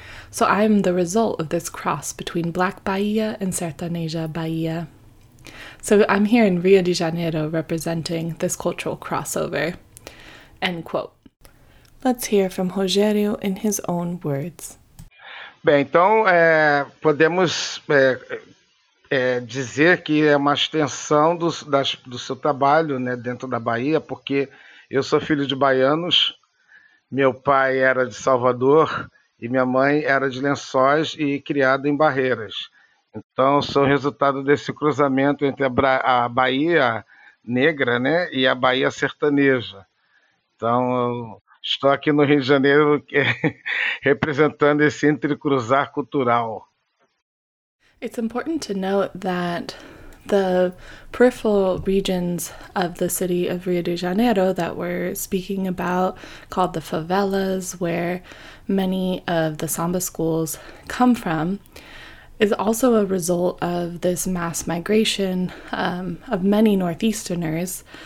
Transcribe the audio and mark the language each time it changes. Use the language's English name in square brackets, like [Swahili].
[English] So I am the result of this cross between Black Bahia and Sertaneja Bahia. So I'm here in Rio de Janeiro representing this cultural crossover. End quote. Let's hear from Rogério in his own words. [Portuguese] Bem, então podemos dizer que é uma extensão do seu trabalho, né, dentro da Bahia, porque eu sou filho de baianos, meu pai era de Salvador e minha mãe era de Lençóis e criada em Barreiras. Então, sou resultado desse cruzamento entre a Bahia negra, né, e a Bahia sertaneja. Então, estou aqui no Rio de Janeiro representando esse entrecruzar cultural. [English] It's important to note that the peripheral regions of the city of Rio de Janeiro that we're speaking about, called the favelas, where many of the samba schools come from, is also a result of this mass migration of many Northeasterners.